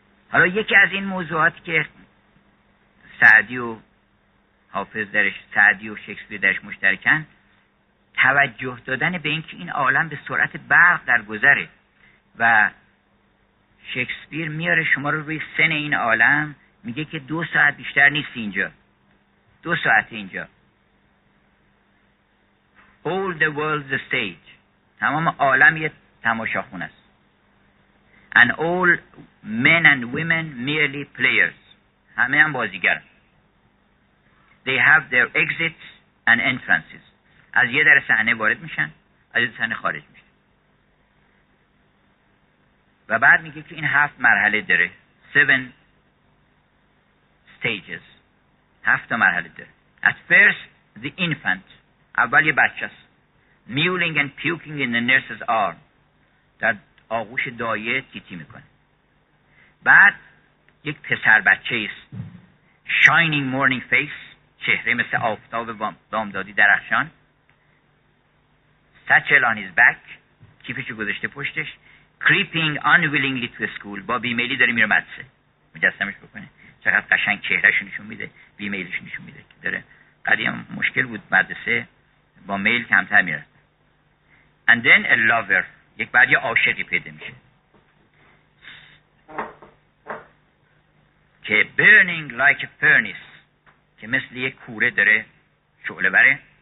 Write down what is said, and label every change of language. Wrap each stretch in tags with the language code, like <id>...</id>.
<fa>حالا یکی از این موضوعات که سعدی و حافظ درش، سعدی و شکسپیر درش مشترکن، توجه دادن به اینکه این عالم به سرعت برق در گذره و شکسپیر میاره شما رو روی سن این عالم، میگه که 2 ساعت بیشتر نیست اینجا، 2 ساعت اینجا.</fa> <en>All the world's a stage،</en> <fa>تمام عالم یه تماشاخون است.</fa> <en>And all men and women merely players،</en> <fa>همه هم بازیگر.</fa> <en>They have their exits and entrances،</en> <fa>از یه در صحنه وارد میشن، از یه در صحنه خارج میشن. و بعد میگه که این 7 مرحله داره، 7 stages، 7 مرحله داره.</fa> <en>At first the infant،</en> <fa>اول یه بچه است.</fa> <en>Mewling and puking in the nurse's arm،</en> <fa>در آغوش دایه تیتی میکنه. بعد یک پسر بچه است.</fa> <en>Shining morning face،</en> <fa>چهره مثل آفتاب بامدادی درخشان.</fa> <en>Satchel on his back،</en> <fa>کیفشو گذاشته پشتش.</fa> <en>Creeping unwillingly to school،</en> <fa>با بیمیلی داره میره مدرسه. مجسمش بکنه چقدر قشنگ چهرهشو نشون میده، بیمیلش نشون میده که داره. قدیم مشکل بود مدرسه با میل کمتر میره.</fa> <en>And then a lover،</en> <fa>یک بعد یه عاشقی پیدا میشه که</fa> <en>burning like a furnace،</en> <fa>که مثل یک کوره داره شعله بره.</fa>